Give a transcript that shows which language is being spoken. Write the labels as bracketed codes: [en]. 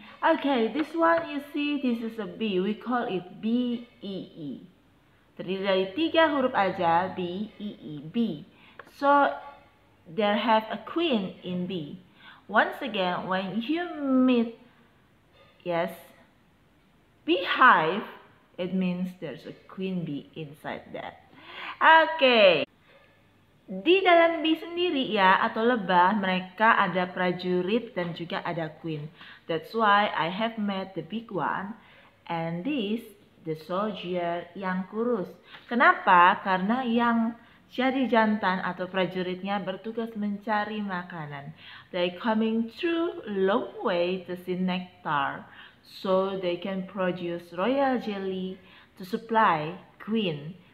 [en] Okay, this one you see, this is a bee. We call it bee. [id] Terdiri dari tiga huruf aja, bee, bee. [en] So there have a queen in bee. Once again, when you meet, yes, beehive, it means there's a queen bee inside that. Okay. [id] Di dalam bee sendiri ya, atau lebah, mereka ada prajurit dan juga ada queen. [en] That's why I have met the big one and this, the soldier [id] yang kurus. Kenapa? Karena yang jadi jantan atau prajuritnya bertugas mencari makanan. [en] They coming through long way to see nectar so they can produce royal jelly to supply queen.